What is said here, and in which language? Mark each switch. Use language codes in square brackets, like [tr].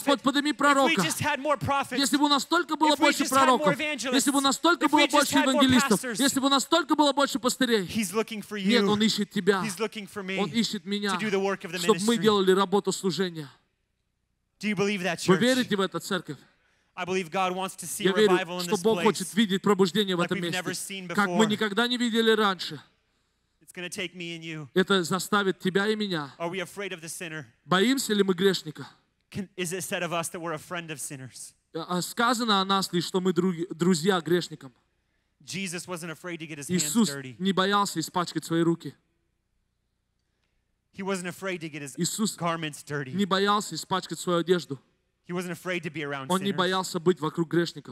[ru] Господь, подними пророка. [en] If we just had more prophets. [ru] Если бы у нас только было [en] if [ru] больше пророков. [en] If we just had more evangelists. [ru] Если бы у нас только было больше евангелистов. [en] Pastors, [ru] если бы у нас только было больше пастырей. [en] He's looking for you. [ru] Нет, Он ищет тебя. [en] He's looking for me. [ru] Он ищет меня. [en] To do the work of the ministry. [ru] Чтобы мы делали работу служения. [en] Do you believe that, church? [ru] Вы верите в это, церковь? [en] I believe God wants to see revival in this place. [ru] Я верю, что Бог хочет видеть пробуждение как мы никогда не видели раньше. [en] It's going to take me and you. [ru] Это заставит тебя и меня. [en] Are we afraid of the sinner? [ru] Боимся ли мы грешника? [en] Is it said of us that we're a friend of sinners? [ru] Сказано о нас лишь, что мы друзья грешникам. [en] Jesus wasn't afraid to get his [ru] Иисус [en] hands dirty. [ru] Не боялся испачкать свои руки. [en] He wasn't afraid to get his [ru] Иисус [en] garments dirty. [ru] Не боялся испачкать свою одежду. [en] He wasn't afraid to be around [ru] Он [en] sinners. [ru] Не боялся быть вокруг грешников.